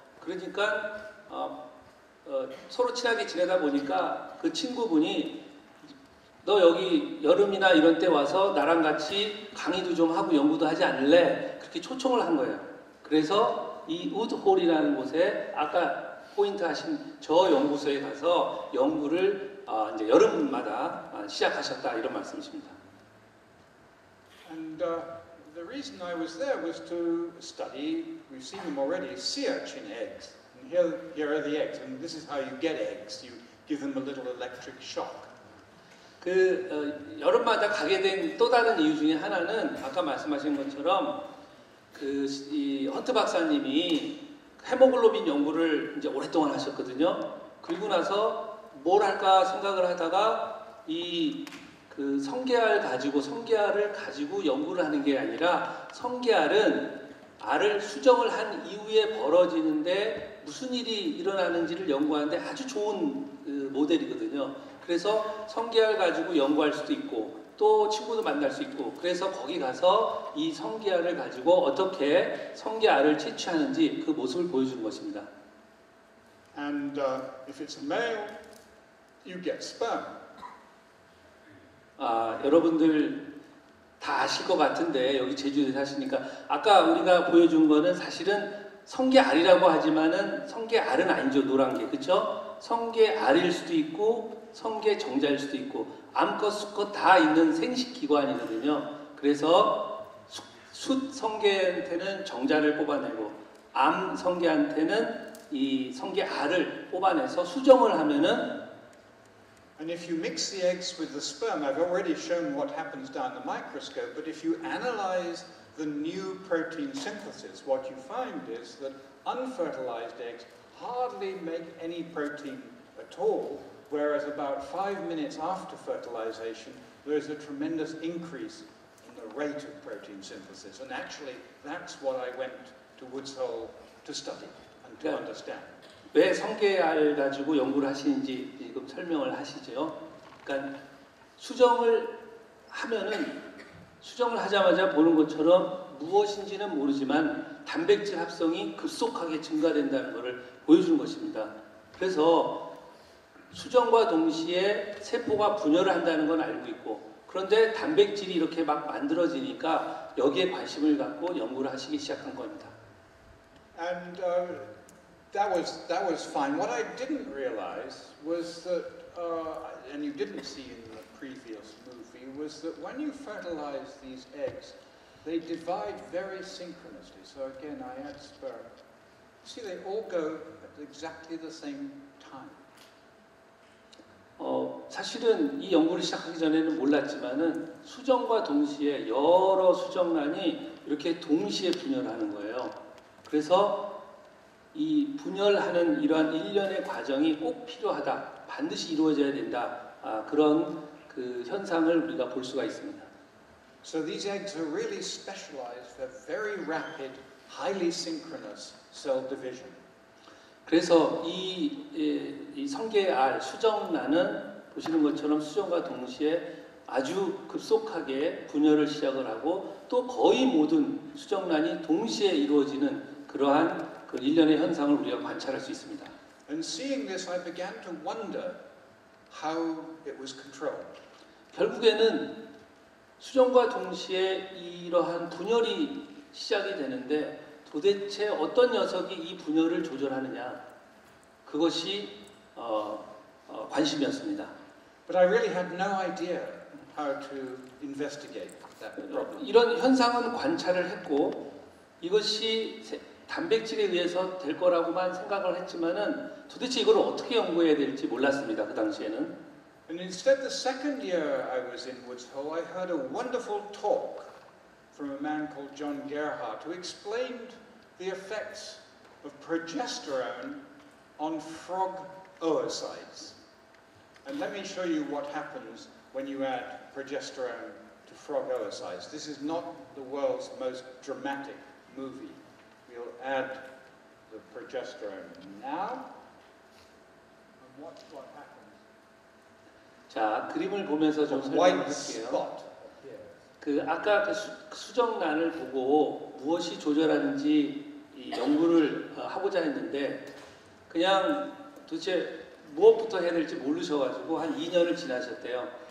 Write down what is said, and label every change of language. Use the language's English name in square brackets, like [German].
[Korean] 그러니까 서로 친하게 지내다 보니까 그 친구분이 너 여기 여름이나 이런 때 와서 나랑 같이 강의도 좀 하고 연구도 하지 않을래? 그렇게 초청을 한 거예요. 그래서 이 우드홀이라는 곳에 아까 포인트 하신 저 연구소에 가서 연구를 이제 여름마다 시작하셨다 이런 말씀이십니다. [English] And the reason I was there was to study. We've seen them already. Sea urchin eggs. And here are the eggs. And this is how you get eggs. You give them a little electric shock. [Korean] 그 여름마다 가게 된 또 다른 이유 중에 하나는 아까 말씀하신 것처럼 그 이 헌트 박사님이 헤모글로빈 연구를 이제 오랫동안 하셨거든요. 그리고 나서 뭘 할까 생각을 하다가 이 그 성게알 가지고 성게알을 가지고 연구를 하는 게 아니라 성게알은 알을 수정을 한 이후에 벌어지는데 무슨 일이 일어나는지를 연구하는데 아주 좋은 그 모델이거든요. 그래서 성게알 가지고 연구할 수도 있고 또 친구도 만날 수 있고 그래서 거기 가서 이 성게알을 가지고 어떻게 성게알을 채취하는지 그 모습을 보여주는 것입니다. [English] And if it's a male, you get sperm. [Korean] 아, 여러분들 다 아실 것 같은데 여기 제주도에 사시니까 아까 우리가 보여준 거는 사실은 성게알이라고 하지만은 성게알은 아니죠. 노란 게. 그렇죠? 성게알일 수도 있고 성게정자일 수도 있고 암컷, 수컷 다 있는 생식기관이거든요. 그래서 숫성게한테는 정자를 뽑아내고 암성게한테는 이 성게알을 뽑아내서 수정을 하면은 [English] And if you mix the eggs with the sperm, I've already shown what happens down the microscope, but if you analyze the new protein synthesis, what you find is that unfertilized eggs hardly make any protein at all, whereas about 5 minutes after fertilization, there is a tremendous increase in the rate of protein synthesis. And actually, that's what I went to Woods Hole to study and to understand. [Korean] 왜 성게알 가지고 연구를 하시는지 지금 설명을 하시죠. 그러니까 수정을 하자마자 보는 것처럼 무엇인지는 모르지만 단백질 합성이 급속하게 증가된다는 것을 보여주는 것입니다. 그래서 수정과 동시에 세포가 분열을 한다는 건 알고 있고 그런데 단백질이 이렇게 막 만들어지니까 여기에 관심을 갖고 연구를 하시기 시작한 겁니다. [English] And, That was fine. What I didn't realize was that, and you didn't see in the previous movie, was that when you fertilize these eggs, they divide very synchronously. So again, I add sperm. See, they all go at exactly the same time. [Korean] 사실은 이 연구를 시작하기 전에는 몰랐지만은 수정과 동시에 여러 수정란이 이렇게 동시에 분열하는 거예요. 그래서 이 분열하는 이러한 일련의 과정이 꼭 필요하다, 반드시 이루어져야 된다, 그런 그 현상을 우리가 볼 수가 있습니다. [English] So these eggs are really specialized. They're very rapid, highly synchronous cell division. [Korean] 그래서 이 성게알 수정란은 보시는 것처럼 수정과 동시에 아주 급속하게 분열을 시작을 하고 또 거의 모든 수정란이 동시에 이루어지는 그러한 그 일련의 현상을 우리가 관찰할 수 있습니다. [English] And seeing this, I began to wonder how it was controlled. [Korean] 결국에는 수정과 동시에 이러한 분열이 시작이 되는데 도대체 어떤 녀석이 이 분열을 조절하느냐 그것이 관심이었습니다. [English] But I really had no idea how to investigate that problem. [Korean] 이런 현상은 관찰을 했고 이것이 단백질에 의해서 될 거라고만 생각을 했지만은 도대체 이걸 어떻게 연구해야 될지 몰랐습니다. 그 당시에는. [English] And instead, the second year I was in Woods Hole, I heard a wonderful talk from a man called John Gerhardt who explained the effects of progesterone on frog oocytes. And let me show you what happens when you add progesterone to frog oocytes. This is not the world's most dramatic movie. You'll add the progesterone now, and watch what happens. [Korean] 자, 그림을 보면서 좀 설명할게요. 그 아까 그 수정란을 보고 무엇이 조절하는지 이 연구를 하고자 했는데 그냥 도대체 무엇부터 해야 될지 모르셔가지고 한 2년을 지나셨대요.